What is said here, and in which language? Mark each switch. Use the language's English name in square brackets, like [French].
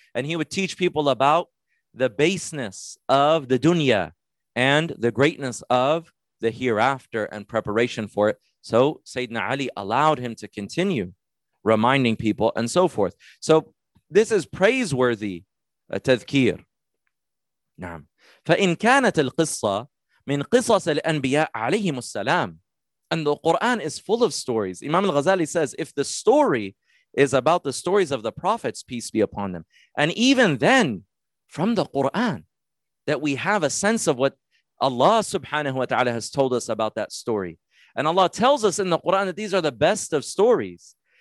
[English] And he would teach people about the baseness of the dunya and the greatness of the hereafter and preparation for it. So Sayyidina Ali allowed him to continue reminding people and so forth. So this is praiseworthy tadhkir. [Arabic] Naam. فَإِنْ كَانَتَ الْقِصَّةِ مِنْ قِصَصِ الْأَنْبِيَاءِ عَلَيْهِمُ السَّلَامِ [English] And the Quran is full of stories. Imam al-Ghazali says, if the story is about the stories of the prophets, peace be upon them. And even then, from the Quran, that we have a sense of what Allah subhanahu wa ta'ala has told us about that story. And Allah tells us in the Quran that these are the best of stories.